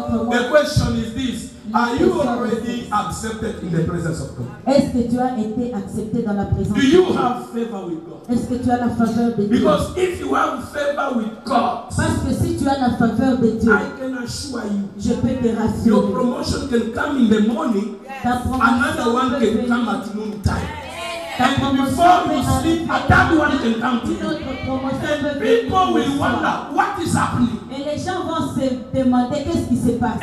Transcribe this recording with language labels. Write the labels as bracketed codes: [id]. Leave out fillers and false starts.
[en] The question is this: are you already accepted in the presence of God? [fr] Est-ce que tu as été accepté dans la présence? [en] Do you have favor with God? [fr] Est-ce que tu as la faveur de Dieu? [en] Because if you have favor with God, [fr] parce que si tu as la faveur de Dieu, [en] I can assure you, [fr] je peux te rassurer. [en] Your promotion can come in the morning. Yes. Another one can come at noon time. And before you sleep, a third one can come to you. And people will wonder what is happening. [fr] Et les gens vont se demander qu'est-ce qui se passe.